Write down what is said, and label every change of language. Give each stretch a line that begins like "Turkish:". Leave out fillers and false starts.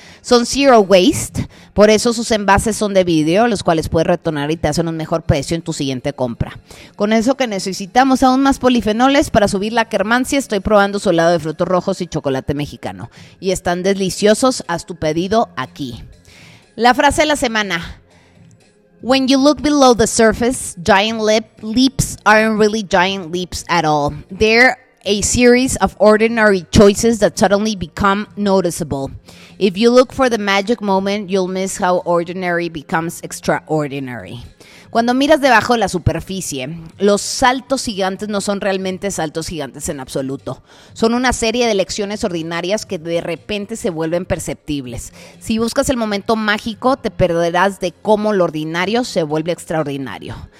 Spanish: Son zero waste, por eso sus envases son de vidrio, los cuales puedes retornar y te hacen un mejor precio en tu siguiente compra. Con eso que necesitamos aún más polifenoles para subir la quermancia, estoy probando su helado de frutos rojos y chocolate mexicano. Y están deliciosos, haz tu pedido aquí. La frase de la semana.
English: When you look below the surface, giant leaps aren't really giant leaps at all. They're a series of ordinary choices that suddenly become noticeable. If you look for the magic moment, you'll miss how ordinary becomes extraordinary.
Spanish: Cuando miras debajo de la superficie, los saltos gigantes no son realmente saltos gigantes en absoluto. Son una serie de lecciones ordinarias que de repente se vuelven perceptibles. Si buscas el momento mágico, te perderás de cómo lo ordinario se vuelve extraordinario.